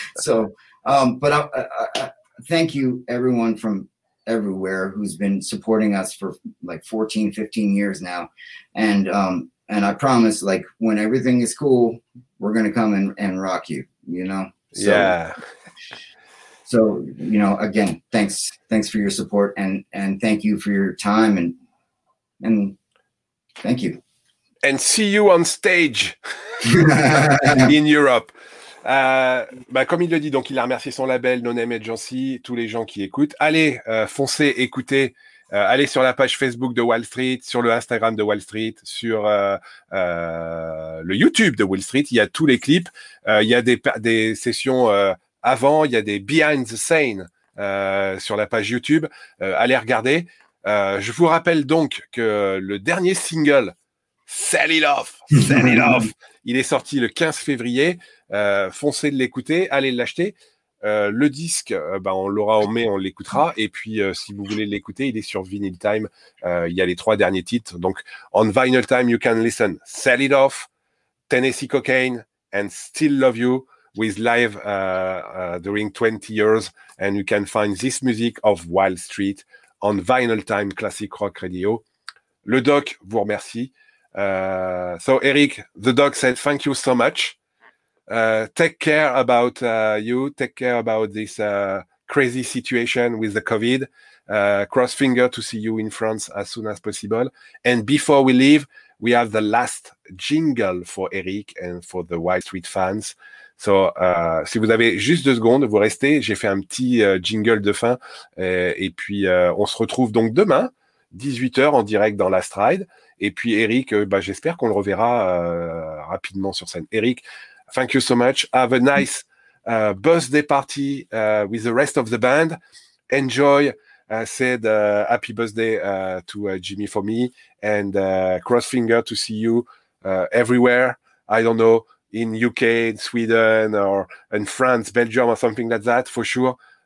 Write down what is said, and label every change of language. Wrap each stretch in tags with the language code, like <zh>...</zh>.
<en>So, but I thank you, everyone from everywhere who's been supporting us for like 14, 15 years now, and and I promise, like, when everything is cool, we're going to come and rock you, you know? So, yeah. So, you know, again, thanks for your support, and thank you for your time, and thank you. And see you on stage in Europe.</en> <fr>Bah, comme il le dit, donc il a remercié son label, No Name Agency, tous les gens qui écoutent. Allez, foncez, écoutez. Allez sur la page Facebook de Wild Street, sur le Instagram de Wild Street, sur le YouTube de Wild Street. Il y a tous les clips. Il y a des sessions avant. Il y a des</fr> <en>behind the scene</en> <fr>sur la page YouTube. Allez regarder. Je vous rappelle donc que le dernier single, Sell It Off, il est sorti le 15 février. Foncez de l'écouter. Allez l'acheter. Le disque, bah, on l'aura en mai, on l'écoutera. Et puis, si vous voulez l'écouter, il est sur Vinyl Time. Il y a les trois derniers titres.</fr> <en>Donc, on Vinyl Time, you can listen Sell It Off, Tennessee Cocaine, and Still Love You with Live During 20 Years. And you can find this music of Wild Street on Vinyl Time Classic Rock Radio.</en> <fr>Le Doc vous remercie.</fr> <en>So, Eric, the Doc said thank you so much. Take care about you. Take care about this crazy situation with the COVID. Cross finger to see you in France as soon as possible. And before we leave, we have the last jingle for Eric and for the Wild Street fans.</en> <fr>So, si vous avez juste deux secondes, vous restez. J'ai fait un petit jingle de fin. Et puis, on se retrouve donc demain, 18h, en direct dans Last Ride. Et puis, Eric, bah, j'espère qu'on le reverra rapidement sur scène.</fr> <en>Eric, thank you so much. Have a nice birthday party with the rest of the band. Enjoy. Said happy birthday to Jimmy for me. And cross finger to see you everywhere. I don't know, in UK, in Sweden, or in France, Belgium, or something like that, for sure.</en>